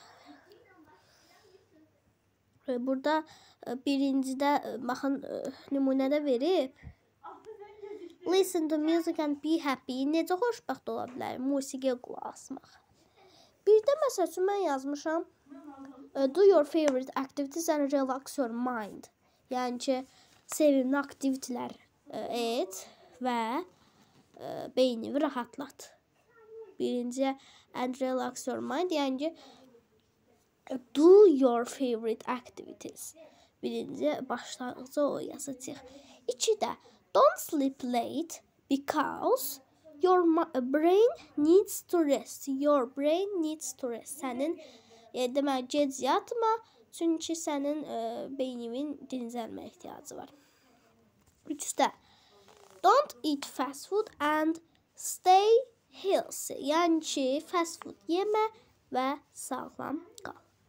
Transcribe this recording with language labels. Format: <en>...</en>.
<az>Deməli, burada birincidə, baxın, nümunədə verib.</az> <en>Listen to music and be happy.</en> <az>Necə xoşbəxt ola bilər musiqiyə qulaq asmaq. Birdə, məsəl üçün, mən yazmışam.</az> <en>Do your favorite activities and relax your mind.</en> <az>Yəni ki, sevimli aktivitlər et və beynini rahatlat. Birinciyə,</az> <en>and relax your mind,</en> <az>yəni ki,</az> <en>do your favorite activities.</en> <az>Birinciyə, başlanıcı o yazacaq. İkidə,</az> <en>don't sleep late because your brain needs to rest. Your brain needs to rest.</en> <az>Sənin, demək, gec yatma, çünki sənin beynin dinlənmə ehtiyacı var. Üçdə,</az> <en>don't eat fast food and stay healthy,</en> <az>yəni ki,</az> <en>fast food</en> <az>yemə və sağlam qal.</az>